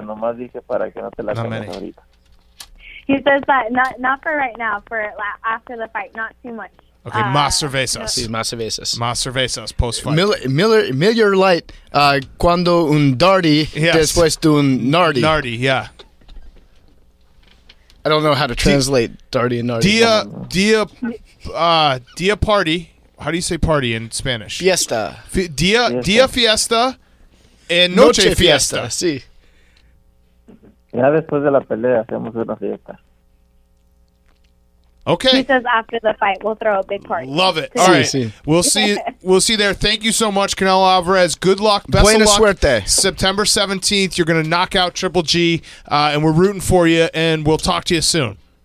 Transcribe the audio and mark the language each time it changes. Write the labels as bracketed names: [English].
[Spanish] Nomás dije para que no te la tomes ahorita. [English] He says that not for right now, for after the fight, not too much. [Spanish] Okay, más cervezas. Sí, más cervezas. Más cervezas post-fight. Miller Lite, cuando un Darty, yes. después de un Nardi. [English] Nardi, yeah. I don't know how to translate Darty and Nardi. Dia party. How do you say party in Spanish? [Spanish] Fiesta. [English] Dia fiesta and noche fiesta. Fiesta. [Spanish] Sí. Ya después de la pelea hacemos una fiesta. [English] Okay. He says after the fight, we'll throw a big party. Love it. All right. We'll see there. Thank you so much, Canelo Alvarez. Good luck. Best [Spanish] Buena [English] of luck. [Spanish] Suerte. [English] September 17th, you're going to knock out Triple G, and we're rooting for you, and we'll talk to you soon.